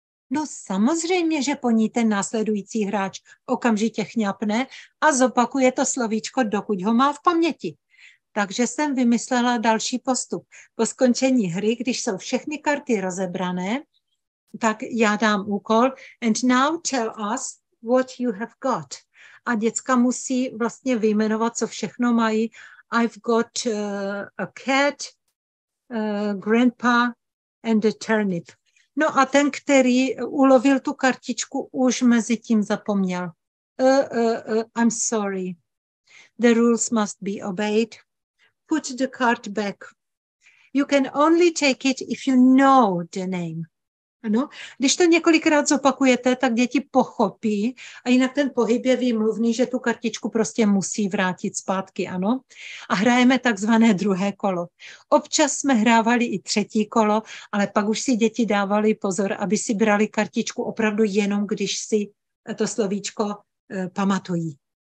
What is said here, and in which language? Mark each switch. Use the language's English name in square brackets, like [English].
[Czech] No samozřejmě, že po ní ten následující hráč okamžitě chňapne a zopakuje to slovíčko, dokud ho má v paměti. Takže jsem vymyslela další postup. Po skončení hry, když jsou všechny karty rozebrané, tak já dám úkol [English] and now tell us what you have got. [Czech] A děcka musí vlastně vyjmenovat, co všechno mají. [English] I've got a cat, grandpa and a turnip. [Czech] No a ten, který ulovil tu kartičku, už mezi tím zapomněl. [English] I'm sorry. The rules must be obeyed. Put the card back. You can only take it if you know the name. [Czech] Ano, když to několikrát zopakujete, tak děti pochopí. A jinak ten pohyb je výmluvný, že tu kartičku prostě musí vrátit zpátky, ano. A hrajeme takzvané druhé kolo. Občas jsme hrávali i třetí kolo, ale pak už si děti dávali pozor, aby si brali kartičku opravdu jenom, když si to slovíčko pamatují.